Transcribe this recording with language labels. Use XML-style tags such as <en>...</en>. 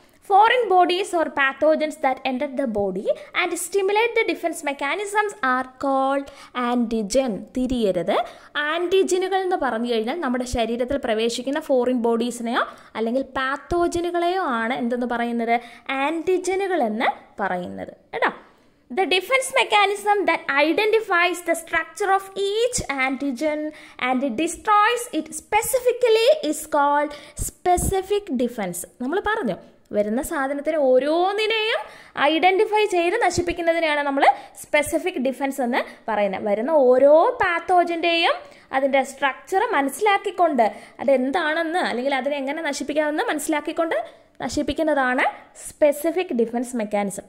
<en>Foreign bodies or pathogens that enter the body and stimulate the defence mechanisms are called antigen.</en> <ml>തിരിയരുത്. ആൻറ്റിജനുകൾ എന്ന് പറഞ്ഞു കഴിഞ്ഞാൽ നമ്മുടെ ശരീരത്തിൽ പ്രവേശിക്കുന്ന ഫോറിൻ ബോഡീസിനെയോ അല്ലെങ്കിൽ പാത്തോജനുകളെയോ ആണ് എന്തെന്ന് പറയുന്നത്, ആൻറ്റിജനുകൾ എന്ന് പറയുന്നത് കേട്ടോ.</ml> <en>The defense mechanism that identifies the structure of each antigen and it destroys it specifically is called specific defense.</en> <ml>നമ്മൾ പറഞ്ഞു വരുന്ന സാധനത്തിനെ ഓരോന്നിനെയും ഐഡൻറ്റിഫൈ ചെയ്ത് നശിപ്പിക്കുന്നതിനെയാണ് നമ്മൾ സ്പെസിഫിക് ഡിഫൻസ് എന്ന് പറയുന്നത്. വരുന്ന ഓരോ പാത്തോജൻ്റെയും അതിൻ്റെ സ്ട്രക്ചർ മനസ്സിലാക്കിക്കൊണ്ട് അതെന്താണെന്ന് അല്ലെങ്കിൽ അതിനെ എങ്ങനെ നശിപ്പിക്കാമെന്ന് മനസ്സിലാക്കിക്കൊണ്ട് നശിപ്പിക്കുന്നതാണ് സ്പെസിഫിക് ഡിഫൻസ് മെക്കാനിസം.</ml>